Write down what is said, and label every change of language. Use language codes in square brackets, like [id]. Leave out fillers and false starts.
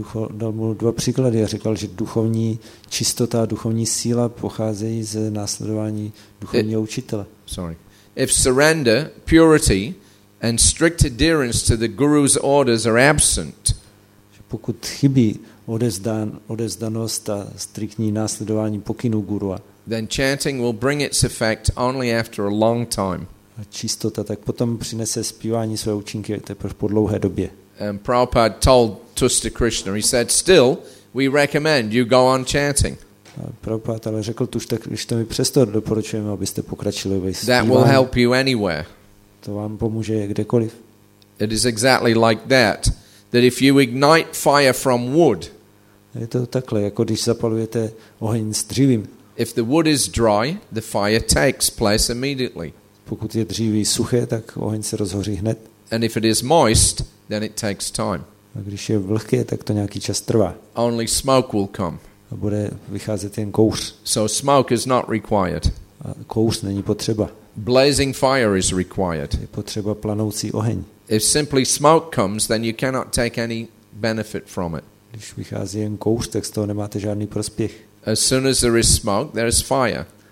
[cs] Dal mu dva příklady a říkal, že duchovní čistota a duchovní síla pocházejí z následování duchovního učitele. [en] If surrender, purity and strict adherence to the guru's orders are absent, [cs] pokud chybí odezdanost a striktní následování pokynů gurua, [en] then chanting will bring its effect only after a long time. [cs] A čistota tak potom přinese zpívání své účinky teprve po dlouhé době. [en] And Prabhupada told Tushta Krishna, he said, still we recommend you go on chanting. [cs] Prabhupada ale řekl Tushta Krishnovi, přesto doporučujeme, abyste pokračili ve zpívání. [en] That will help you anywhere. [cs] To vám pomůže kdekoliv. [en] It is exactly like that if you ignite fire from wood. [cs] Je to takhle, jako když zapalujete oheň s dřívím. [en] If the wood is dry, the fire takes place immediately. [cs] Pokud je dříví suché, tak oheň se rozhoří hned. [en] And if it is moist, then it takes time. [cs] A když je vlhké, tak to nějaký čas trvá. [en] Only smoke will come. [cs] A bude vycházet jen kouř. [en] So smoke is not required. [cs] A kouř není potřeba. [en] Blazing fire is required. [cs] Je potřeba planoucí oheň. [en] If simply smoke comes, then you cannot take any benefit from it. [cs] Když vychází jen kouř, tak z toho nemáte žádný prospěch. [en] As soon as there is smoke, there is fire.